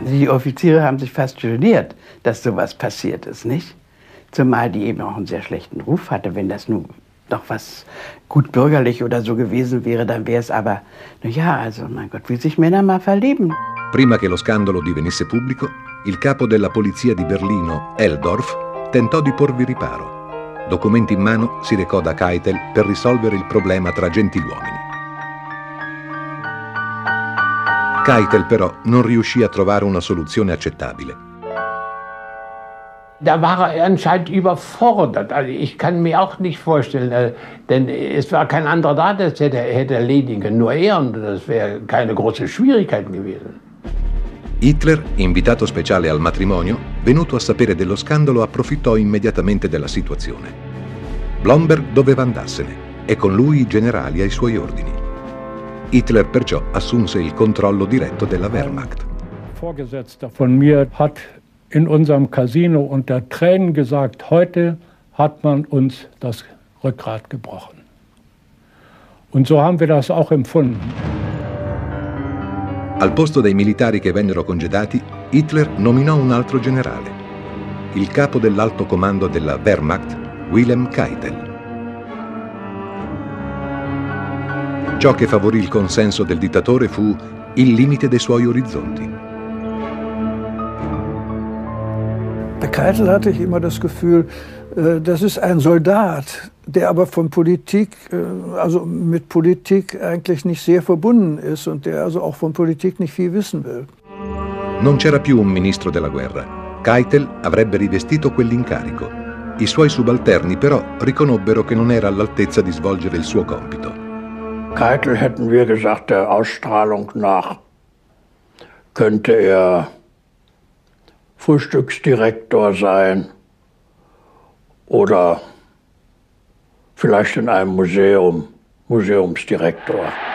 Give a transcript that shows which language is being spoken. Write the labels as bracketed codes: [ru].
[de] Die Offiziere haben sich fast geniert, dass sowas passiert ist, nicht? Zumal die eben auch einen sehr schlechten Ruf hatte. Wenn das nun noch was gut bürgerlich oder so gewesen wäre, dann wäre es aber, naja, also mein Gott, wie sich Männer mal verlieben. [it] Prima che lo scandalo divenisse pubblico, il capo della polizia di Berlino, Eldorf, tentò di porvi riparo. Documenti in mano, si recò da Keitel per risolvere il problema tra gentiluomini. Keitel però non riuscì a trovare una soluzione accettabile. [de] Da war er anscheinend überfordert. Also ich kann mir auch nicht vorstellen, denn es war kein anderer da, das hätte erledigen können, nur er. Und das wäre keine große Schwierigkeit gewesen. [it] Hitler, invitato speciale al matrimonio, venuto a sapere dello scandalo, approfittò immediatamente della situazione. Blomberg doveva andarsene e con lui i generali ai suoi ordini. Hitler perciò assunse il controllo diretto della Wehrmacht. [de] Vorgesetzter von mir hat in unserem Casino unter Tränen gesagt, heute hat man uns das Rückgrat gebrochen. Und so haben wir das auch empfunden. [it] Al posto dei militari che vennero congedati, Hitler nominò un altro generale, il capo dell'alto comando della Wehrmacht, Wilhelm Keitel. Ciò che favorì il consenso del dittatore fu il limite dei suoi orizzonti. [de] Keitel hatte ich immer das Gefühl, das ist ein Soldat, der aber von Politik, also mit Politik eigentlich nicht sehr verbunden ist und der also auch von Politik nicht viel wissen will. [it] Non c'era più un ministro della guerra. Keitel avrebbe rivestito quell'incarico. I suoi subalterni però riconobbero che non era all'altezza di svolgere il suo compito. [de] Keitel, hätten wir gesagt, der Ausstrahlung nach könnte er Frühstücksdirektor sein oder vielleicht in einem Museum, Museumsdirektor.